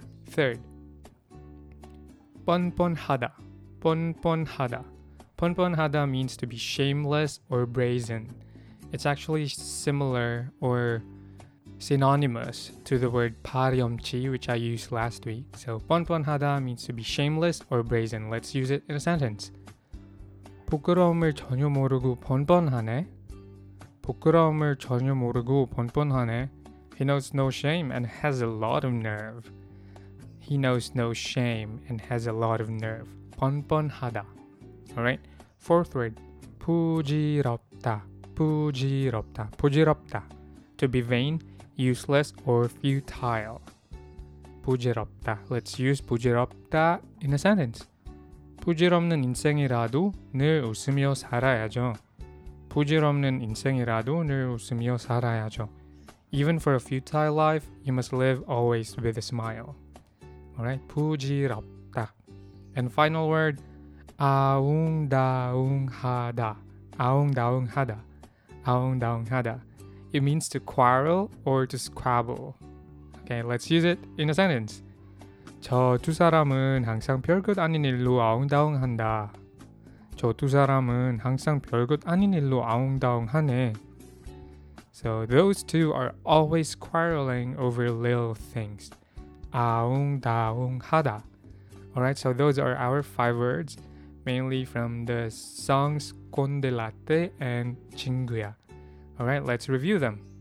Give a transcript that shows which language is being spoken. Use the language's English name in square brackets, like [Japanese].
[English] Third, ponponhada. Ponponhada. Ponponhada means to be shameless or brazen. It's actually similar or synonymous to the word pariomchi, which I used last week. So ponponhada means to be shameless or brazen. Let's use it in a sentence. [Korean] 부끄러움을 전혀 모르고 뻔뻔하네. 부끄러움을 전혀 모르고 뻔뻔하네. [English] He knows no shame and has a lot of nerve. He knows no shame and has a lot of nerve. 뻔뻔하다. Alright. Fourth word. [Korean] 부질없다. 부질없다. 부질없다. [English] To be vain, useless, or futile. 부질없다. Let's use 부질없다 in a sentence. [Korean] 부질없는 인생이라도 늘 웃으며 살아야죠. 부질없는 인생이라도 늘 웃으며 살아야죠. [English] Even for a futile life, you must live always with a smile. Alright, [Korean] 부질없다. [English] And final word, [Korean] 아웅다웅하다. 아웅다웅하다. 아웅다웅하다. [English] It means to quarrel or to squabble. Okay, let's use it in a sentence. [Korean] 저 두 사람은 항상 별것 아닌 일로 아웅다웅한다. 저 두 사람은 항상 별것 아닌 일로 아웅다웅하네. [English] So those two are always quarreling over little things. [Korean] 아웅다웅하다. [English] Alright, so those are our five words, mainly from the songs 콘데 라떼 and 친구야. Alright, let's review them.